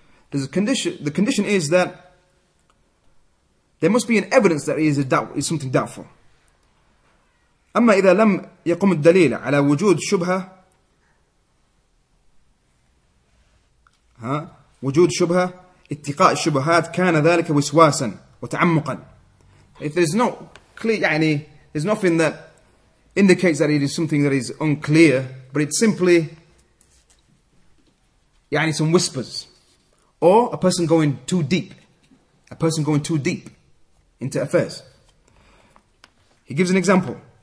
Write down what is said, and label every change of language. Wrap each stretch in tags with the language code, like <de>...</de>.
<en>The condition is that there must be an evidence that is something doubtful.</en> <ar>أما إذا لم يقم الدليل على وجود شبهة وجود شبهة اتقاء الشبهات كان ذلك وسواسا وتعمقا.</ar> <en>If there's no clear, يعني, there's nothing that indicates that it is something that is unclear, but it's simply يعني, some whispers. Or a person going too deep. A person going too deep into affairs. He gives an example.</en>